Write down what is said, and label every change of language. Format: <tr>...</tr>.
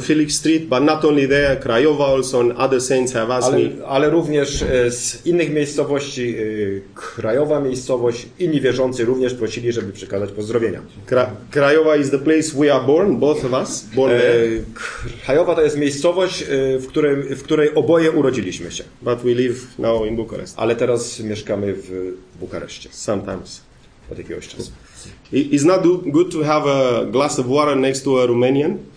<en>Felix Street, but not only there, Krajowa also, and other saints have asked me.</en> <pl>Ale również z innych miejscowości, Krajowa miejscowość, inni wierzący również prosili, żeby przekazać pozdrowienia.</pl> <en>Krajowa is the place we are born, both of us.</en> <pl>Krajowa to jest miejscowość, w której oboje urodziliśmy się.</pl> <en>But we live now in Bucharest.</en> <pl>Ale teraz mieszkamy w Bukareszcie.</pl> <en>Sometimes.</en> <pl>Od jakiegoś czasu.</pl> <en>It's not good to have a glass of water next to a Romanian.</en>